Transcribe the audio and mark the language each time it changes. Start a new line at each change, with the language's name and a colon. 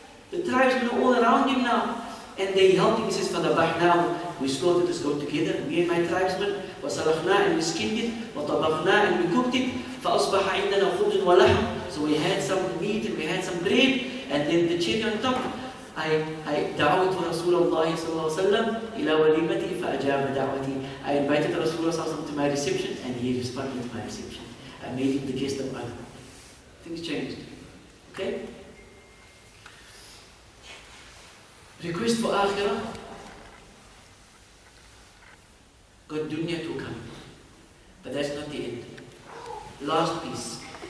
English: The tribesmen are all around him now. And they helped him. He says, Father Bahnaw, we slaughtered this goat together, me and my tribesmen.
Arabic: وَسَلَخْنَا
English: and we skinned it.
Arabic: وَطَبَخْنَا
English: and we cooked it.
Arabic: فَأَصْبَحَ عِنْدَنَا خُبْزٌ وَلَحْمٌ.
English: So we had some meat and we had some bread. And then the cherry on top.
Arabic: I دعوت رسول الله صلى الله عليه وسلم إلى وليمتي فأجاب دعوتي.
English: I invited
Arabic: رسول الله صلى الله عليه وسلم
English: to my reception and he responded to my reception. I made him the guest of honor. Things changed. Okay? Request for Akhirah. Got dunya to come. But that's not the end. Last piece.